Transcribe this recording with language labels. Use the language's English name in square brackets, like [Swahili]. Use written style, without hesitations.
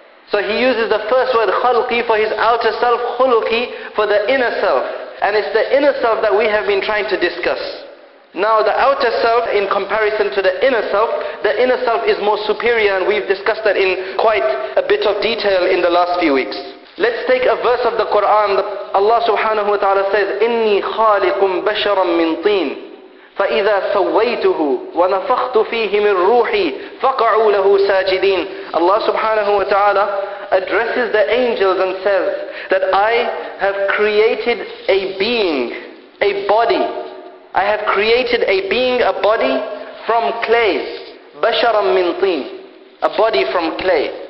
[English] So he uses the first word khalqi for his outer self, khuluqi for the inner self. And it's the inner self that we have been trying to discuss. Now the outer self in comparison to the inner self is more superior, and we've discussed that in quite a bit of detail in the last few weeks. Let's take a verse of the Quran. [Arabic] Allah subhanahu wa ta'ala [English] says, [Arabic] إِنِّي خَالِقٌ بَشَرًا مِّن طِينٍ فَإِذَا سَوَّيْتُهُ وَنَفَخْتُ فِيهِ مِن رُوحِي فَقَعُوا لَهُ سَاجِدِينَ. [English] Allah subhanahu wa ta'ala addresses the angels and says that I have created a being, a body. I have created a being, a body from clay. [Arabic] بَشَرًا مِّن طِينٍ. [English] A body from clay.